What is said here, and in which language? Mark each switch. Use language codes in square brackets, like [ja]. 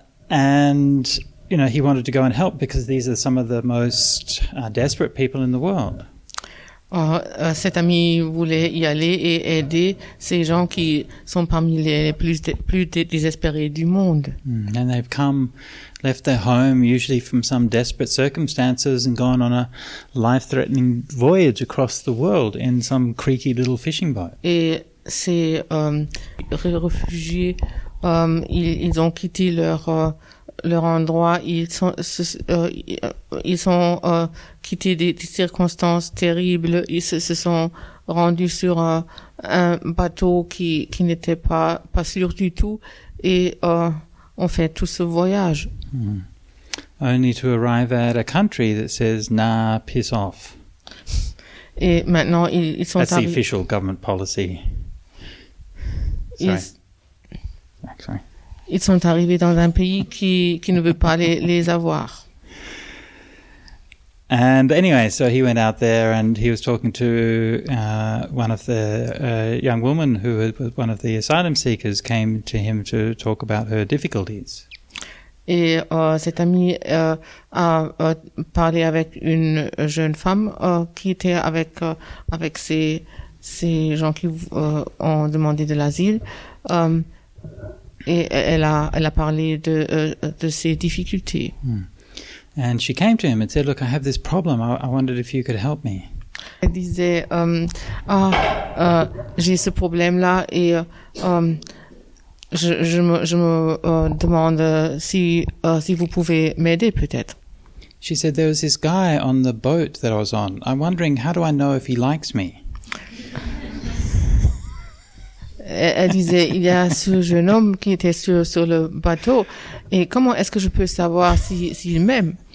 [en] And, you know, he wanted to go and help because these are some of the most desperate people in the world. [fr] Cet ami voulait y aller et aider ces gens qui sont parmi les plus désespérés du monde. [en] And they've come, left their home, usually from some desperate circumstances, and gone on a life-threatening voyage across the world in some creaky little fishing boat. [fr] Et ces réfugiés, ils ont quitté leur endroit, ils ont quitté des circonstances terribles, ils se sont rendus sur un bateau qui n'était pas sûr du tout, et ont fait tout ce voyage. [en] Only to arrive at a country that says, nah, piss off. [fr] Et maintenant, ils sont... [en] That's the official government policy. Sorry. [fr] Ils sont arrivés dans un pays qui ne veut pas les avoir. [en] And anyway, so he went out there and he was talking to one of the young women who was one of the asylum seekers came to him to talk about her difficulties. [fr] Et cet ami a parlé avec une jeune femme qui était avec ces gens qui ont demandé de l'asile. Et elle a parlé de ses difficultés. [en] And she came to him and said, look, I have this problem. I wondered if you could help me. [fr] Elle disait, j'ai ce problème-là et je me demande si vous pouvez m'aider peut-être. [en] She said, there was this guy on the boat that I was on. I'm wondering, how do I know if he likes me? [fr] Elle disait, il y a ce jeune homme qui était sur le bateau, et comment est-ce que je peux savoir s'il m'aime?